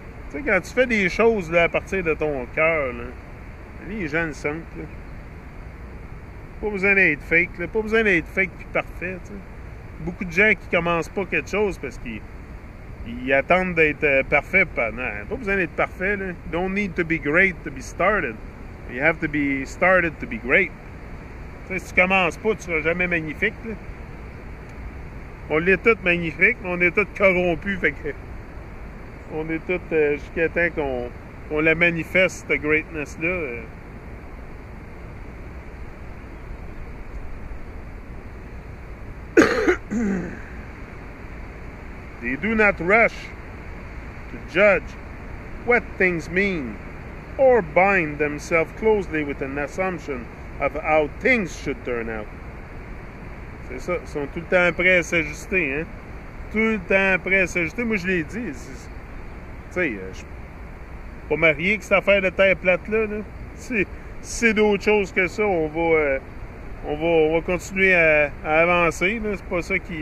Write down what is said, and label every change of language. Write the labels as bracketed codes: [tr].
[fr] Tu sais, quand tu fais des choses là, à partir de ton cœur, les gens le sentent. Là. Pas besoin d'être fake. Là. Pas besoin d'être fake puis parfait. T'sais. Beaucoup de gens qui commencent pas quelque chose parce qu'ils attendent d'être parfaits. Pas besoin d'être parfait. Là. [en] Don't need to be great to be started. You have to be started to be great. [fr] T'sais, si tu commences pas, tu seras jamais magnifique. Là. On l'est tous magnifique, mais on est tous corrompus. Fait que on est tous jusqu'à temps qu'on la manifeste, cette greatness-là. [en] They do not rush to judge what things mean or bind themselves closely with an assumption of how things should turn out. [fr] C'est ça, ils sont tout le temps prêts à s'ajuster, hein? Tout le temps prêts à s'ajuster. Moi, je l'ai dit. Tu sais, je suis pas marié avec cette affaire de terre plate-là. Là. Si c'est d'autres choses que ça, on va continuer à avancer. Là. C'est pas ça qui.